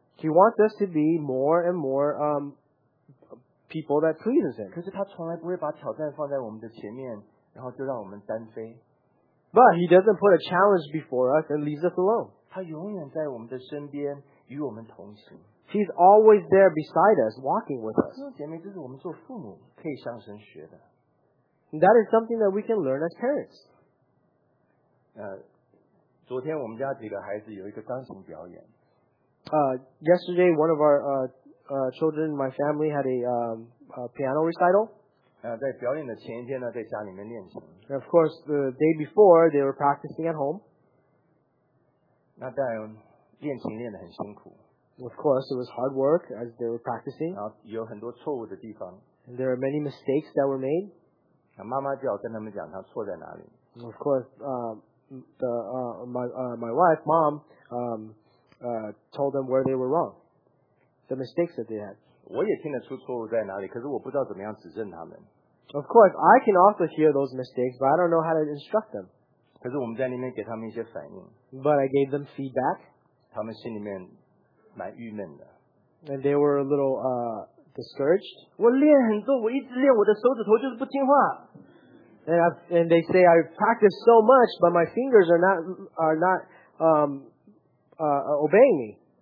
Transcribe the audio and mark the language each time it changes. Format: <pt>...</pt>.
<en>He wants us to be more and more people that pleases Him.</en> <zh>可是他从来不会把挑战放在我们的前面，然后就让我们单飞。</zh> <en>But He doesn't put a challenge before us and leaves us alone.</en> <zh>他永远在我们的身边与我们同行。</zh> <en>He's always there beside us, walking with us.</en> <zh>弟兄姐妹，这是我们做父母可以向神学的。</zh> <en>That is something that we can learn as parents.</en> <zh>昨天我们家几个孩子有一个钢琴表演。</zh> <en>Yesterday, one of our children, my family, had a piano recital.</en> <zh>在表演的前一天呢，在家里面练琴。</zh> <en>Of course, the day before, they were practicing at home.</en> <zh>那当然，练琴练得很辛苦。</zh> <en>Of course, it was hard work as they were practicing.</en> <zh>然后有很多错误的地方。</zh> <en>And there are many mistakes that were made.</en> <zh>那妈妈就要跟他们讲，她错在哪里。</zh> <en>Of course, my wife, mom, told them where they were wrong, the mistakes that they had.</en> <zh>我也听得出错误在哪里，可是我不知道怎么样指正他们。</zh> <en>Of course, I can also hear those mistakes, but I don't know how to instruct them.</en> <zh>可是我们在那边给他们一些反应。</zh> <en>But I gave them feedback.</en> <zh>他们心里面蛮郁闷的。</zh> <en>And they were a little discouraged.</en> <zh>我练很多，我一直练，我的手指头就是不听话。</zh> <en>And they say I practice so much, but my fingers are not obeying me.</en>